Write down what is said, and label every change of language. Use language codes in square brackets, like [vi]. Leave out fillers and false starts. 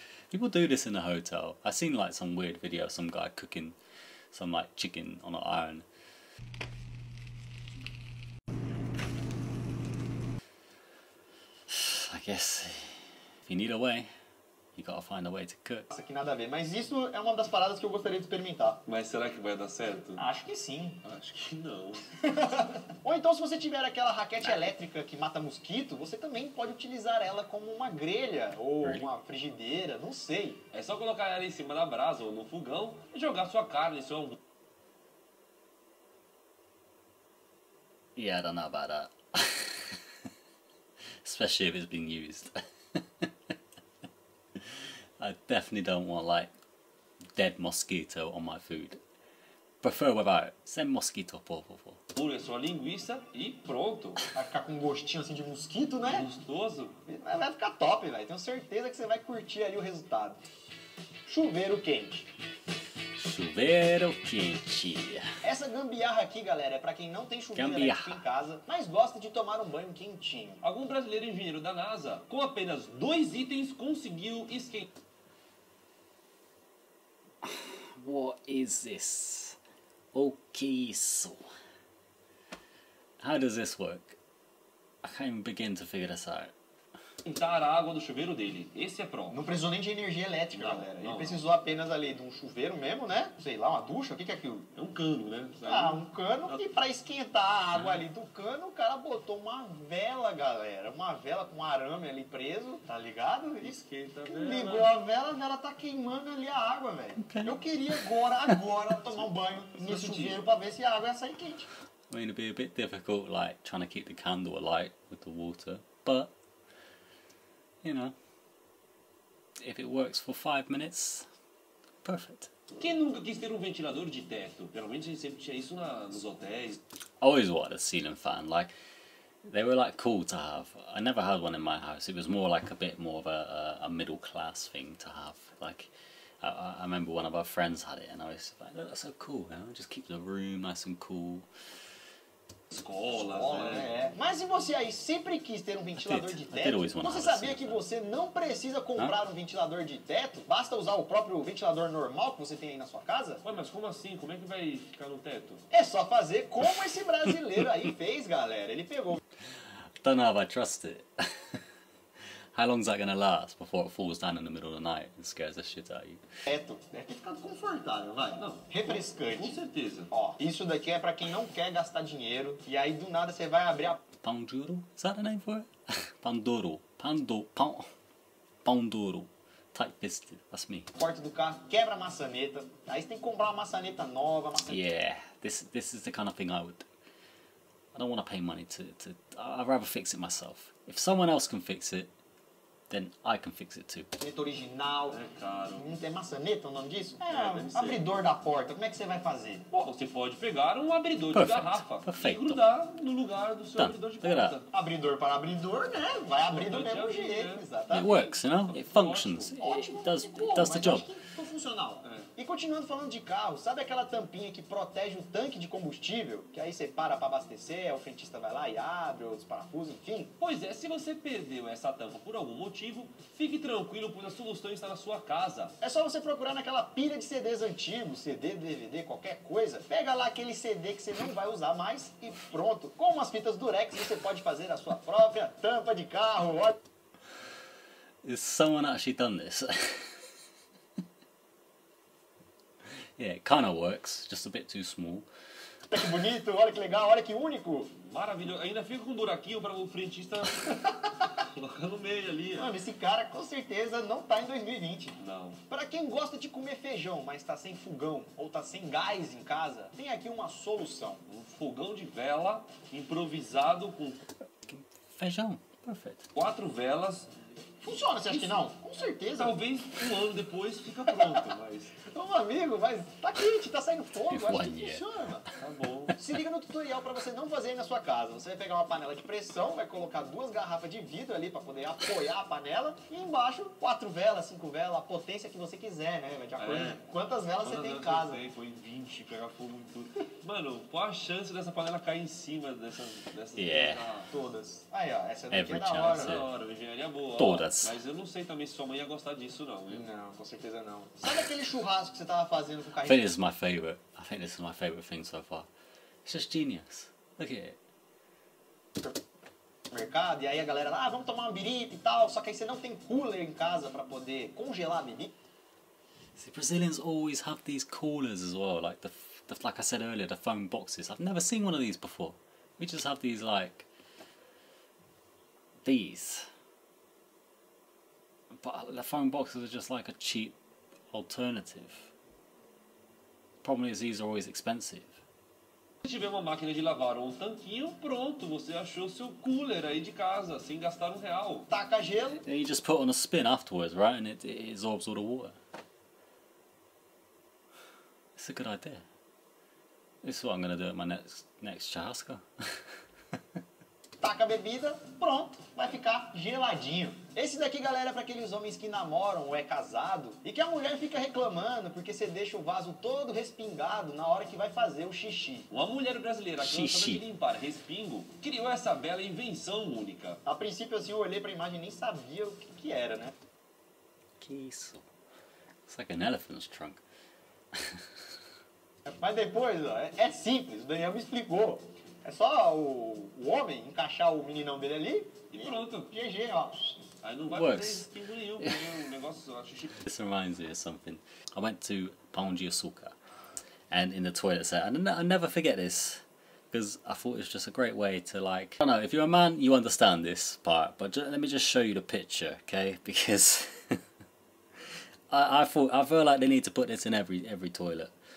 [en] People do this in a hotel. I've seen like some weird video of some guy cooking some like chicken on an iron. I guess if you need a way, you gotta find a way to cook. [pt] Isso aqui nada a ver, mas isso é uma das paradas que eu gostaria de experimentar. Mas será que vai dar certo? Acho que sim. Acho que não. Ou então, se você tiver aquela raquete elétrica que mata mosquito, você também pode utilizar ela como uma grelha ou uma frigideira, não sei. É só colocar ela em cima da brasa ou no fogão e jogar sua carne, seu hambúrguer. [en] Yeah, I don't know about that. Especially if it's been used. I definitely don't want like dead mosquito on my food. Prefer without. Send mosquito, [pt] por favor. Pule sua linguiça e pronto. Vai ficar com um gostinho assim de mosquito, né? Gostoso. Vai ficar top, velho. Tenho certeza que você vai curtir ali o resultado. Chuveiro quente. Chuveiro quente. Essa gambiarra aqui, galera, é pra quem não tem chuveiro elétrico em casa, mas gosta de tomar um banho quentinho. Algum brasileiro engenheiro da NASA, com apenas dois itens, conseguiu esquentar. [en] What is this? [pt] O que é isso? [en] How does this work? I can't even begin to figure this out. [pt] Esquentar a água do chuveiro dele. Esse é pronto. Não precisou nem de energia elétrica, não, galera. Ele precisou apenas ali de um chuveiro mesmo, né? Sei lá, uma ducha. O que é aquilo? É um cano, né? E pra esquentar a água ali do cano, o cara botou uma vela, galera. Uma vela com um arame ali preso, tá ligado? Esquenta a vela. Ligou a vela tá queimando ali a água, velho. Eu queria agora, tomar um banho no chuveiro pra ver se a água ia sair quente. [en] I mean, it'd be a bit difficult, like, trying to keep the candle alight with the water, but... You know, if it works for 5 minutes, perfect. [pt] Quem nunca quis ter um ventilador de teto? Pelo menos a gente sempre tinha isso nos hotéis. [en] I always wanted a ceiling fan. Like, they were like cool to have. I never had one in my house. It was more like a bit more of a middle class thing to have. Like, I remember one of our friends had it and I was like, oh, that's so cool, you know? Just keep the room nice and cool. [pt] Escola, né? Mas se você aí sempre quis ter um ventilador de teto, você sabia que você não precisa comprar um ventilador de teto? Basta usar o próprio ventilador normal que você tem aí na sua casa? Ué, mas como assim? Como é que vai ficar no teto? É só fazer como esse brasileiro aí fez, galera. Ele pegou... [en] I don't know if I trust it. How long is that gonna last before it falls down in the middle of the night and scares the shit out of you? [pt] Teto. É que fica confortável, vai. Não. Refrescante. Com certeza. Ó, isso daqui é pra quem não quer gastar dinheiro e aí do nada você vai abrir a... Pão duro? [en] Is that the name for it? [pt] Pão duro. Pão duro. [en] Tight fisted. That's me. [pt] Porta do carro, quebra a maçaneta. Aí você tem que comprar uma maçaneta nova, maçaneta... [en] Yeah, this is the kind of thing I would... I don't want to pay money to... I'd rather fix it myself. If someone else can fix it, then I can fix it too. [pt] Maçaneta original. É caro. Não tem maçaneta, o nome disso? É, abridor da porta. Como é que você vai fazer? Bom, você pode pegar um abridor [en] Perfect. [pt] De garrafa. Perfeito. E grudar no lugar do seu [en] Done. [pt] Abridor de porta. Abridor para abridor, né? Vai abrir do mesmo jeito. Né? Exatamente. [en] It works, you know? It functions. [pt] Ótimo. [en] It does the job. [pt] Ficou funcional. É. E continuando falando de carro, sabe aquela tampinha que protege o tanque de combustível? Que aí você para abastecer, o frentista vai lá e abre os parafusos, enfim. Pois é, se você perdeu essa tampa por algum motivo, fique tranquilo, pois a solução está na sua casa. É só você procurar naquela pilha de CDs antigos, CD, DVD, qualquer coisa. Pega lá aquele CD que você não vai usar mais e pronto. Com umas fitas Durex, você pode fazer a sua própria tampa de carro. [en] Is someone actually done this? Yeah, it kind of works, just a bit too small. [pt] Olha que bonito, olha que legal, olha que único. Maravilhoso, ainda fica com um buraquinho para o frentista... Colocando meio ali. Mano, esse cara com certeza não tá em 2020. Não. Pra quem gosta de comer feijão, mas tá sem fogão ou tá sem gás em casa, tem aqui uma solução. Um fogão de vela improvisado com... Feijão. Perfeito. Quatro velas. Funciona, você acha que não? Com certeza. Talvez um ano depois fica pronto, mas... Ô, amigo, mas tá quente, tá saindo fogo. Acho que funciona. Tá bom. Se liga no tutorial pra você não fazer aí na sua casa. Você vai pegar uma panela de pressão, vai colocar duas garrafas de vidro ali pra poder apoiar a panela. E embaixo, quatro velas, cinco velas, a potência que você quiser, né? De acordo com quantas velas você tem em casa. Eu sei, foi 20, pegar fogo em tudo. Mano, qual a chance dessa panela cair em cima dessas todas? Aí, ó, essa daqui é da hora. Essa é da hora, engenharia boa. Todas. Ó, mas eu não sei também se sua mãe ia gostar disso, não. Viu? Não, com certeza não. Sabe aquele churrasco que você tava fazendo com o carrinho? [en] I think this is my favorite. I think this is my favorite thing so far. It's just genius. Look at it. [pt] Mercado, e aí a galera lá, vamos tomar uma birita e tal, só que aí você não tem cooler em casa pra poder congelar a birita. [en] See, Brazilians always have these coolers as well, like the like I said earlier, the foam boxes. I've never seen one of these before. We just have these, like, these. But the foam boxes are just like a cheap alternative. Problem is these are always expensive. [pt] Se tiver uma máquina de lavar ou um tanquinho, pronto, você achou seu cooler aí de casa, sem gastar um real. Taca gelo. [en] And you just put on a spin afterwards, right? And it absorbs all the water. It's a good idea. This is what I'm gonna do at my next churrasco. [pt] Taca a bebida, pronto, vai ficar geladinho. Esse daqui, galera, é pra aqueles homens que namoram ou é casado e que a mulher fica reclamando porque você deixa o vaso todo respingado na hora que vai fazer o xixi. Uma mulher brasileira que não sabe limpar respingo criou essa bela invenção única. A princípio, assim, eu olhei pra imagem e nem sabia o que era, né? Que isso? [en] It's like an elephant's trunk. [pt] Mas depois, ó, é simples, o Daniel me explicou. É só o homem encaixar o meninão dele ali e pronto. GG, ó. Aí não vai fazer espingo nenhum, porque o negócio é xixi. [en] This reminds me of something. I went to Pão de Açúcar and in the toilet set. And I never forget this, because I thought it was just a great way to, like... I don't know, if you're a man, you understand this part, but let me just show you the picture, okay? Because I feel like they need to put this in every toilet.